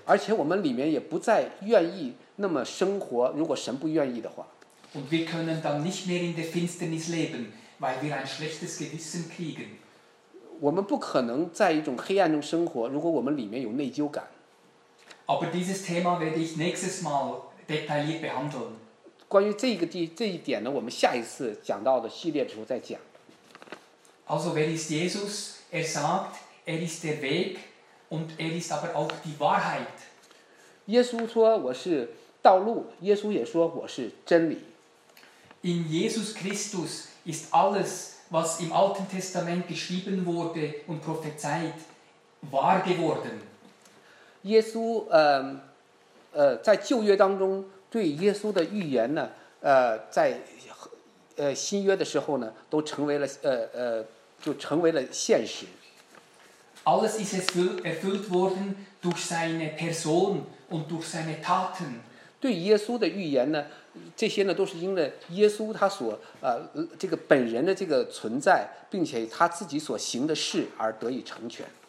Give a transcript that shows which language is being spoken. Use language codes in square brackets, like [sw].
[zh] 而且我们里面也不再愿意那么生活，如果神不愿意的话。 [de] Und wir können dann nicht mehr in der Finsternis leben, weil wir ein schlechtes Gewissen kriegen. [zh] 我们不可能在一种黑暗中生活，如果我们里面有内疚感。 [de] Aber dieses Thema werde ich nächstes Mal detailliert behandeln. [zh] 关于这一点呢，我们下一次讲到的系列的时候再讲。 [de] Also wer ist Jesus? Er sagt, er ist der Weg und er ist aber auch die Wahrheit. [zh] 耶稣说我是道路，耶稣也说我是真理。 [de] In Jesus Christus ist alles, was im Alten Testament geschrieben wurde und prophezeit, wahr geworden. [zh] 耶稣在旧约当中对耶稣的预言呢，在新约的时候呢，都成为了就成为了现实。 [de] Alles ist erfüllt worden durch seine Person und durch seine Taten. [zh] 对耶稣的预言呢，这些呢都是因为耶稣他所这个本人的这个存在，并且他自己所行的事而得以成全。